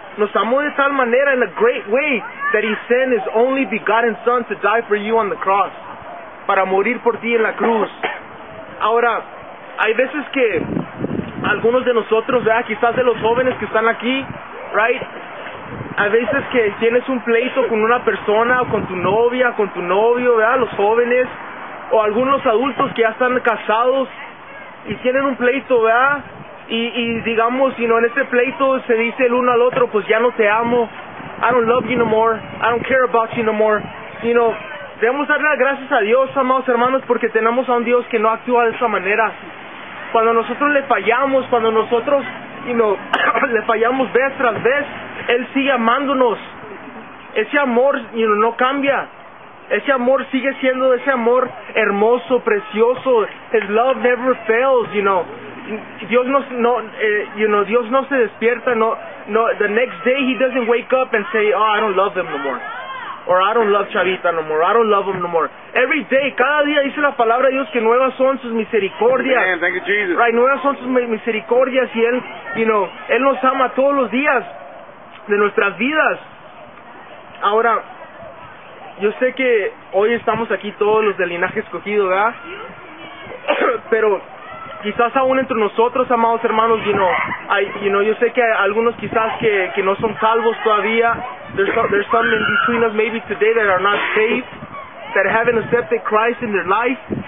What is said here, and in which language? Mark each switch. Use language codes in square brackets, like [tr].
[es] Nos amó de tal manera, [en] in a great way, that He sent His only begotten Son to die for you on the cross. [es] Para morir por ti en la cruz. Ahora, hay veces que algunos de nosotros, ¿verdad? Quizás de los jóvenes que están aquí, right? A veces que tienes un pleito con una persona, o con tu novia, con tu novio, ¿verdad? Los jóvenes, o algunos adultos que ya están casados y tienen un pleito, ¿verdad? Y digamos, you know, en ese pleito se dice el uno al otro, pues ya no te amo, [en] I don't love you no more, I don't care about you no more. [es] You know, debemos darle las gracias a Dios, amados hermanos, porque tenemos a un Dios que no actúa de esa manera. Cuando nosotros le fallamos, cuando nosotros, you know, le fallamos vez tras vez, Él sigue amándonos. Ese amor, you know, no cambia. Ese amor sigue siendo ese amor hermoso, precioso. [en] His love never fails, you know. [es] Dios Dios no se despierta, no. [en] The next day He doesn't wake up and say, oh, I don't love them no more. Or I don't love Chavita no more. I don't love them no more. Every day, [es] cada día dice la palabra de Dios que nuevas son sus misericordias. [en] Amen. Thank you, Jesus. [es] Right, nuevas son sus misericordias y Él, you know, Él nos ama todos los días de nuestras vidas. Ahora, yo sé que hoy estamos aquí todos los del linaje escogido, ¿verdad? Pero quizás aún entre nosotros, amados hermanos, yo sé que hay algunos quizás que no son salvos todavía. [en] There's some in between us maybe today that are not saved, that haven't accepted Christ in their life.